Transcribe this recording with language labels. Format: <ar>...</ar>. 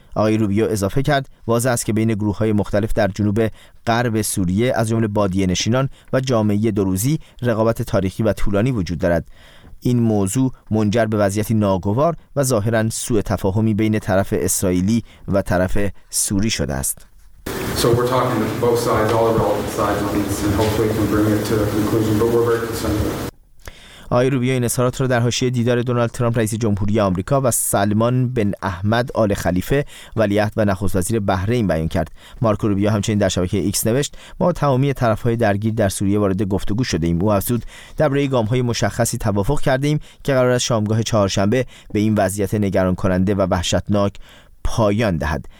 <fa>آقای روبیو اضافه کرد واضح است که بین گروه‌های مختلف در جنوب غرب سوریه از جمله بادیه نشینان و جامعه دروزی رقابت تاریخی و طولانی وجود دارد. این موضوع منجر به وضعیتی ناگوار و ظاهراً سوء تفاهمی بین طرف اسرائیلی و طرف سوری شده است.</fa> <en>So we're talking to both sides, all the relevant sides on this, and hopefully can bring it to a conclusion. But we're very concerned.</en> <fa>آقای روبیو این اظهارات را در حاشیه دیدار دونالد ترامپ رئیس جمهوری آمریکا و سلمان بن احمد آل خلیفه ولیعهد و نخست وزیر بحرین بیان کرد. مارکو روبیو همچنین در شبکه ایکس نوشت ما تمامی طرف‌های درگیر در سوریه وارد گفتگو شده ایم. او افزود درباره گام‌های مشخصی توافق کردیم که قرار است شامگاه چهارشنبه به این وضعیت نگران کننده و وحشتناک پایان دهد.</fa>